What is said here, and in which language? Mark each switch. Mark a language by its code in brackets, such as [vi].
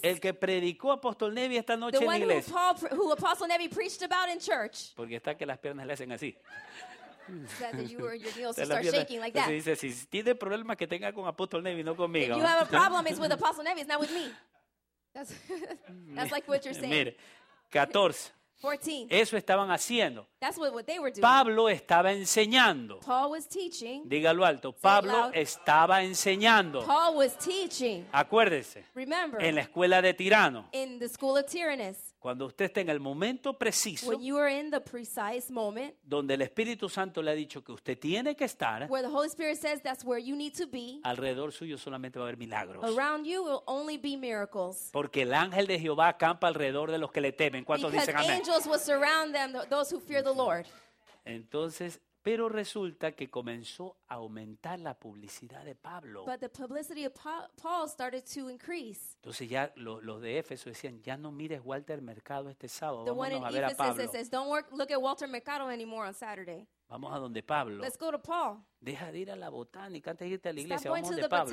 [es] El que predicó Apóstol Nevi esta noche en iglesia. [en] The one who Apostle Nevi preached about in church. [es] Porque está que las piernas le hacen así. [en] That you or your knees start shaking like that. [es] Dice, si tiene problemas que tenga con Apóstol Nevi, no conmigo. [en] If you have a problem, it's with Apostle Nevi, it's not with me. That's like what you're saying. [es] Mire, 14. Eso estaban haciendo. [en] That's what they were doing. [es] Pablo estaba enseñando. [en] Paul was teaching. [es] Dígalo alto. Pablo estaba enseñando. [en] Paul was teaching. [es] Acuérdese. [en] Remember. [es] En la escuela de Tirano. [en] In the school of Tyrannus. [es] Cuando usted está en el momento preciso, [en] when you are in the precise moment, [es] donde el Espíritu Santo le ha dicho que usted tiene que estar, [en] where the Holy Spirit says that's where you need to be, [es] alrededor suyo solamente va a haber milagros. [en] Around you will only be miracles. [es] Porque el ángel de Jehová acampa alrededor de los que le temen. ¿Cuántos [en] because [es] dicen amén? [en] Angels will surround them, those who fear the Lord. [es] Entonces, pero resulta que comenzó a aumentar la publicidad de Pablo. [en] But the publicity of Paul started to increase. [es] Entonces ya los de Éfeso decían, ya no mires Walter Mercado este sábado, vámonos a ver a Pablo. [en] The one in Ephesus says, don't look at Walter Mercado anymore on Saturday. [es] Vamos a donde Pablo. [en] Let's go to Paul. [es] Deja de ir a la botánica antes de irte a la iglesia, vamos a donde Pablo.